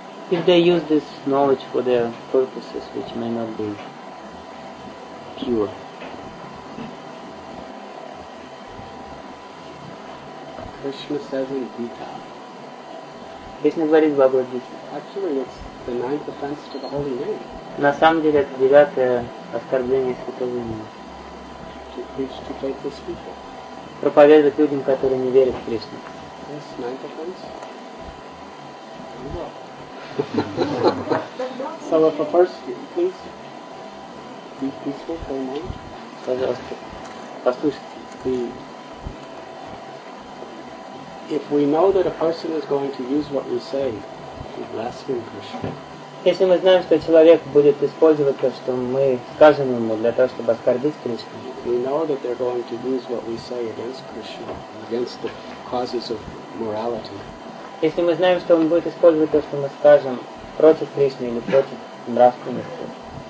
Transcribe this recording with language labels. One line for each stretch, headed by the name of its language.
English: If they use this knowledge for their purposes, which may not be pure. Krishna says in Gita.
Russian: Krishna говорит в Бхагавад Гите.
English: Actually, it's the ninth offense to the holy name.
Russian: На самом деле это девятое оскорбление святого имени.
English: To preach to faithless people.
Russian: Проповедовать людям, которые не верят в Кришну.
English: Yes, ninth offense. So if a person, please, be peaceful for a moment.
Russian: Пожалуйста, послушайте.
English: If we know that a person is going to use what we say to blaspheme Krishna.
Russian: Если мы знаем, что человек будет использовать то, что мы скажем ему для того, чтобы оскорбить Кришну.
English: We know that they're going to use what we say against Krishna, against the causes of morality.
Russian: Если мы знаем, что он будет использовать то, что мы скажем против Кришны или против нравственности.